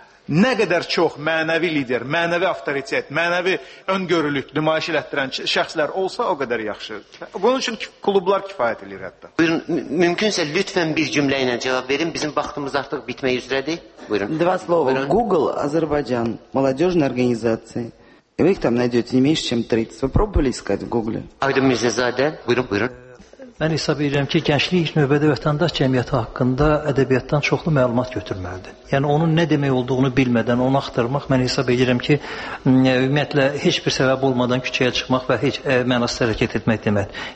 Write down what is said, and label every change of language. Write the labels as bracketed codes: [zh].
[az] Nə qədər çox mənəvi lider, mənəvi avtoritet, mənəvi öngörülük nümayiş elətdirən şəxslər olsa, o qədər yaxşı. Bunun üçün klublar kifayət edir hətta. Buyurun, mümkünsə lütfən bir cümlə ilə cavab verin. Bizim vaxtımız artıq bitmək üzrədir. Buyurun. [ru] Два слова. Google, Azərbaycan, молодёжная организация. Вы их там найдёте не меньше, чем 30. Вы пробовали искать в Google? [az] Aydın Mirzəzadə, buyurun. Mən hesab edirəm ki, gənclik ilk növbədə vətəndaş cəmiyyəti haqqında ədəbiyyatdan çoxlu məlumat götürməlidir. Yəni, onun nə demək olduğunu bilmədən, onu axtarmaq, mən hesab edirəm ki, ümumiyyətlə, heç bir səbəb olmadan küçəyə çıxmaq və heç mənasız hərəkət etmək deməkdir.